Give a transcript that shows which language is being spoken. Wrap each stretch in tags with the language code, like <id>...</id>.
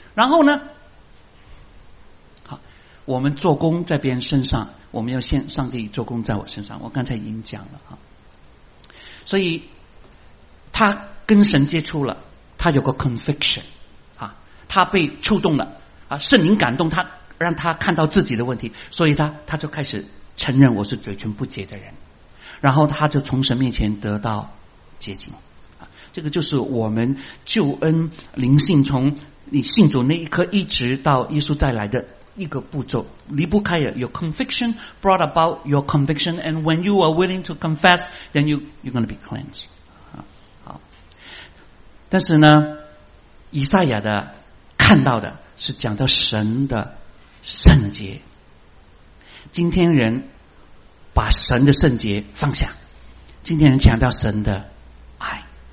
<zh>然后呢，我们做工在别人身上，我们要先上帝做工在我身上。我刚才已经讲了，所以他跟神接触了，他有个 conviction， 他被触动了，圣灵感动他，让他看到自己的问题，所以他就开始承认我是嘴唇不洁的人，然后他就从神面前得到洁净。这个就是我们救恩灵性，从你信主那一刻一直到耶稣再来的一个步骤，离不开了。</zh> <en>Your conviction brought about your conviction, and when you are willing to confess, then you're going to be cleansed.</en> <zh>好，但是呢，以赛亚的看到的是讲到神的圣洁。今天人把神的圣洁放下，今天人强调神的爱。</zh>